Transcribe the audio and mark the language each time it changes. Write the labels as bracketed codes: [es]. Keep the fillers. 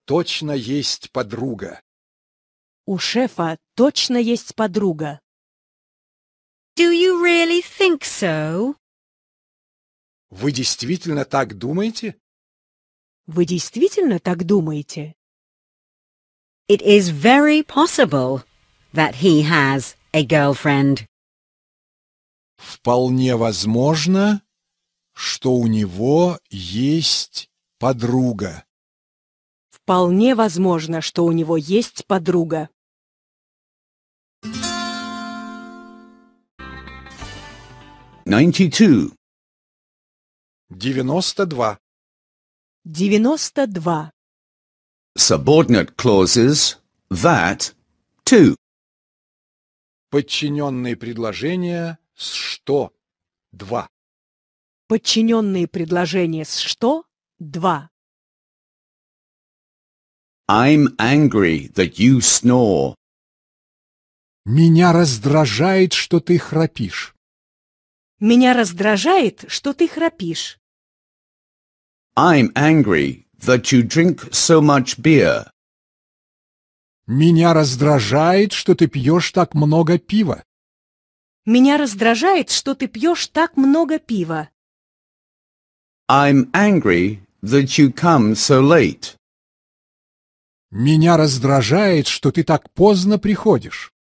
[ru] точно есть подруга. У шефа точно есть подруга. [en] Do you really think so? [ru] Вы действительно так думаете? Вы действительно так думаете? [en] It is very possible that he has a girlfriend. [ru] Вполне возможно, что у него есть подруга. Вполне возможно, что у него есть подруга. Девяносто два. Девяносто два. [en] Subordinate clauses that to. [ru] Подчиненные предложения с что два. Подчиненные предложения с «что» — два. [en] I'm angry that you snore. [ru] Меня раздражает, что ты храпишь. Меня раздражает, что ты храпишь. [en] I'm angry that you drink so much beer. [ru] Меня раздражает, что ты пьешь так много пива. Меня раздражает, что ты пьешь так много пива. [en] I'm angry that you come so late. [ru] Меня раздражает, что ты так поздно приходишь.